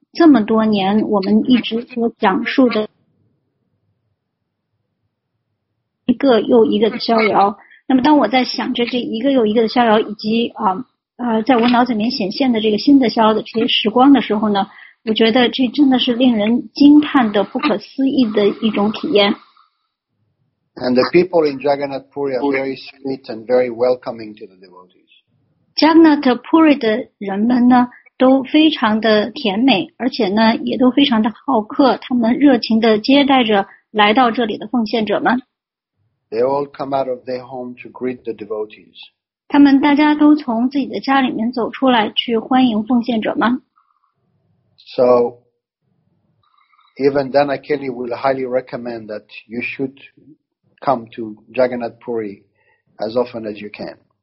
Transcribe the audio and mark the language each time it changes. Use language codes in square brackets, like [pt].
[zh] 这么多年我们一直所讲述的一个又一个的逍遥，那么当我在想着这一个又一个的逍遥以及在我脑子里面显现的这个新的逍遥的这些时光的时候呢，我觉得这真的是令人惊叹的不可思议的一种体验。 [en] And the people in Jagannath Puri are very sweet and very welcoming to the devotees. [zh] Jagannath Puri 的人们呢都非常的甜美，而且呢也都非常的好客，他们热情的接待着来到这里的奉献者们。 [en] They all come out of their home to greet the devotees. [zh] 他们大家都从自己的家里面走出来去欢迎奉献者们。 [en] So, even Dana Kelly will highly recommend that you should come to Jagannath Puri as often as you can.